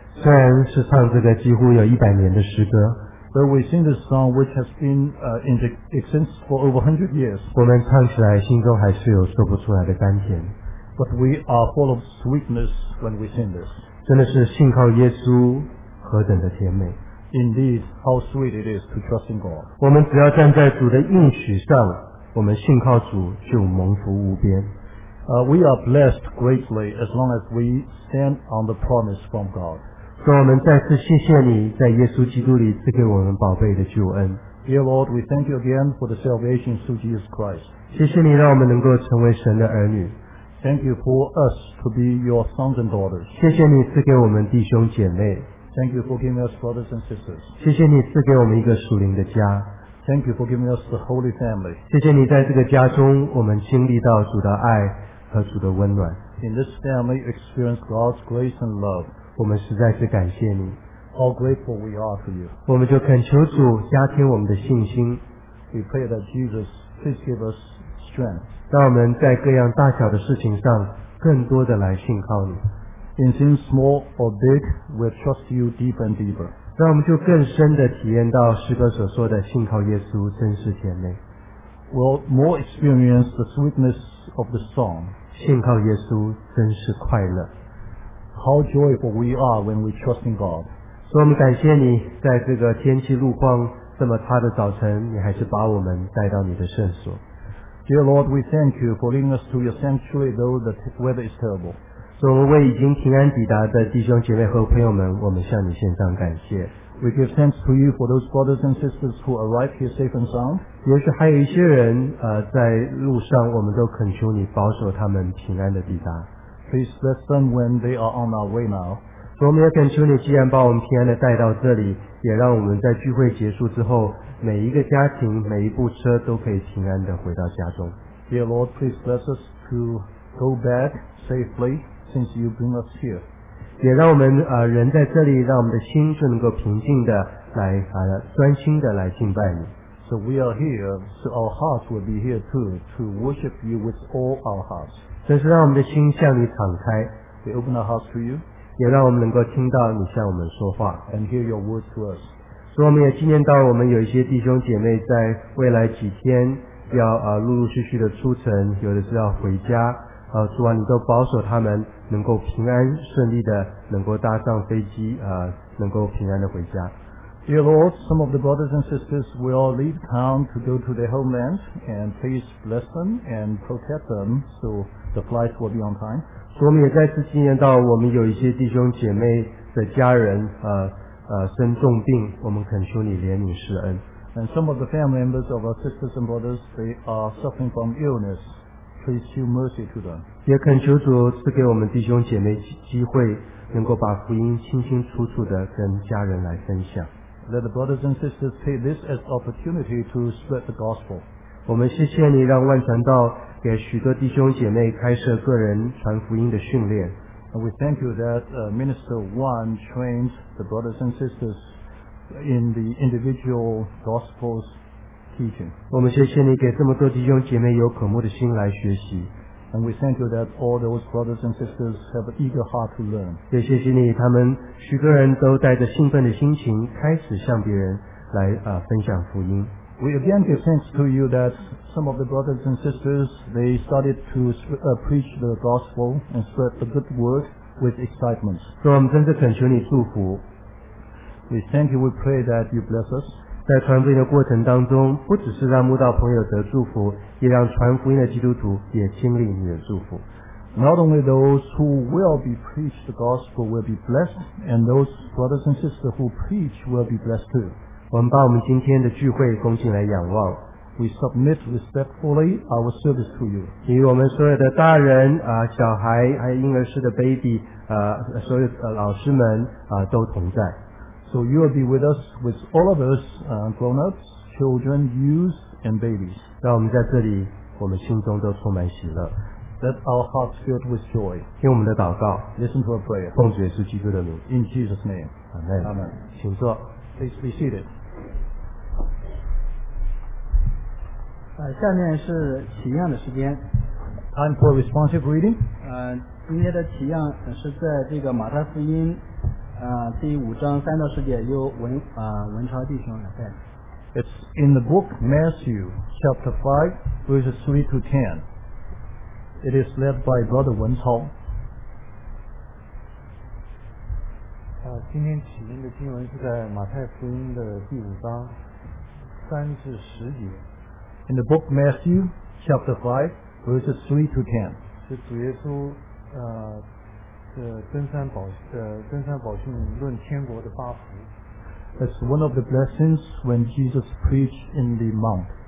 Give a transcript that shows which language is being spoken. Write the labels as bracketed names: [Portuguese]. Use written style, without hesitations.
[Chinese] 虽然是唱这个几乎有一百年的诗歌 [English] ，but we sing this song which has been in existence for over 100 years. [Chinese] 我们唱起来心中还是有说不出来的甘甜。 [English] But we are full of sweetness when we sing this. [Chinese] 真的是信靠耶稣何等的甜美。 [English] Indeed, how sweet it is to trust in God. [Chinese] 我们只要站在主的应许上，我们信靠主就蒙福无边。 [English] We are blessed greatly as long as we stand on the promise from God. [Chinese] 主，我们再次谢谢你在耶稣基督里赐给我们宝贝的救恩。 [English] Dear Lord, we thank you again for the salvation through Jesus Christ. [Chinese] 谢谢你让我们能够成为神的儿女。 [English] Thank you for us to be your sons and daughters. [Chinese] 谢谢你赐给我们弟兄姐妹。 [English] Thank you for giving us brothers and sisters. [Chinese] 谢谢你赐给我们一个属灵的家。 [English] Thank you for giving us the holy family. [Chinese] 谢谢你在这个家中我们经历到主的爱和主的温暖。 [English] In this family, experience God's grace and love. [Chinese] 我们实在是感谢你。 [English] How grateful we are to you. [Chinese] 我们就恳求主加添我们的信心。 [English] We pray that Jesus please give us strength. [Chinese] 让我们在各样大小的事情上更多的来信靠你。 [English] In things small or big, we'll trust you deep and deeper. [Chinese] 让我们就更深的体验到诗歌所说的信靠耶稣真是甜美。 [English] We'll more experience the sweetness of the song. [Chinese] 信靠耶稣真是快乐。 [English] How joyful we are when we trust in God. [Chinese] 所以我们感谢你在这个天气路况这么差的早晨，你还是把我们带到你的圣所。 [English] Dear Lord, we thank you for leading us to your sanctuary, though the weather is terrible. [Chinese] 所以我们为已经平安抵达的弟兄姐妹和朋友们，我们向你献上感谢。 [English] We give thanks to you for those brothers and sisters who arrived here safe and sound. [Chinese] 也许还有一些人，在路上，我们都恳求你保守他们平安的抵达。 [English] Please bless them when they are on our way now. [Chinese] 所以我们也恳求你，既然把我们平安的带到这里，也让我们在聚会结束之后，每一个家庭每一部车都可以平安地回到家中。 [English] Dear Lord, please bless us to go back safely since you bring us here. [Chinese] 也让我们人在这里，让我们的心就能够平静地来专心地来敬拜你。 [English] So we are here, so our hearts will be here too to worship you with all our hearts. [Chinese] 真是让我们的心向你敞开。 [English] We open our hearts to you. [Chinese] 也让我们能够听到你向我们说话。 [English] And hear your words to us. [Chinese] 所以我们也纪念到我们有一些弟兄姐妹在未来几天要陆陆续续的出城，有的是要回家，主啊，你都保守他们能够平安顺利的能够搭上飞机，能够平安的回家。 [English] Dear Lord, some of the brothers and sisters will leave town to go to their homeland, and please bless them and protect them so the flight will be on time. [Chinese] 所以我们也再次纪念到我们有一些弟兄姐妹的家人生重病，我们恳求你怜悯施恩。 [English] And some of the family members of our sisters and brothers, they are suffering from illness. Please show mercy to them. [Chinese] 也恳求主赐给我们弟兄姐妹机会，能够把福音清清楚楚地跟家人来分享。 [English] Let the brothers and sisters take this as opportunity to spread the gospel. [Chinese] 我们谢谢你让万传道给许多弟兄姐妹开设个人传福音的训练。 [English] And we thank you that Minister Wan trained the brothers and sisters in the individual gospel's teaching. [Chinese] 我们谢谢你给这么多弟兄姐妹有渴慕的心来学习。 [English] And we thank you that all those brothers and sisters have an eager heart to learn. [Chinese] 也谢谢你，他们许多人都带着兴奋的心情开始向别人来分享福音。 [English] We again give thanks to you that some of the brothers and sisters, they started to preach the gospel and spread the good word with excitement. So [Chinese] 我们真是恳求你祝福。 [English] We thank you, we pray that you bless us. [Chinese] 在传福音的过程当中，不只是让慕道朋友得祝福，也让传福音的基督徒也经历你的祝福。 [English] Not only those who will be preached the gospel will be blessed, and those brothers and sisters who preach will be blessed too. [Chinese] 我们把我们今天的聚会恭敬来仰望。 [English] We submit respectfully our service to you. [Chinese] 与我们所有的大人、小孩还有婴儿室的 baby、所有的老师们、都同在。 [English] So you will be with us, with all of us, grown-ups, children, youths, and babies. [Chinese] 让我们在这里，我们心中都充满喜乐。 [English] Let our hearts filled with joy. [Chinese] 听我们的祷告。 [English] Listen to our prayer. [Chinese] 奉主耶稣基督的名。 [English] In Jesus' name. Amen. Amen. [Chinese] 请坐。 [English] Please be seated. [Chinese] 下面是起样的时间。 [English] Time for responsive reading. [Chinese] 今天的起样是在这个马太福音第五章三到十节，由文超弟兄来带。 [English] It's in the book Matthew chapter 5 verses 3 to 10. It is led by Brother 文超。 [Chinese] 今天起因的经文是在马太福音的第五章三至十节。 [English] In the book Matthew, chapter 5, verses 3 to 10. [Chinese] 是主耶稣登山宝训论天国的八福。 [English] That's one of the blessings when Jesus preached in the Mount.